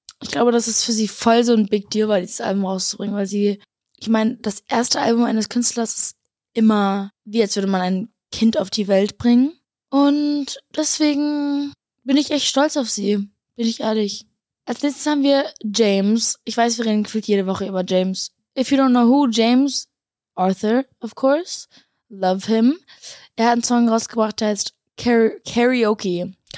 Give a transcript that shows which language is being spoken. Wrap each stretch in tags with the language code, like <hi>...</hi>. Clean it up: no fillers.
<de>Ich glaube, dass es für sie voll so ein Big Deal war, dieses Album rauszubringen, weil sie, ich meine, das erste Album eines Künstlers ist immer, wie als würde man ein Kind auf die Welt bringen. Und deswegen bin ich echt stolz auf sie, bin ich ehrlich. Als nächstes haben wir James. Ich weiß, wir reden gefühlt jede Woche über James.</de> <en>If you don't know who, James Arthur, of course. Love him.</en> <de>Er hat einen Song rausgebracht, der heißt Karaoke.</de>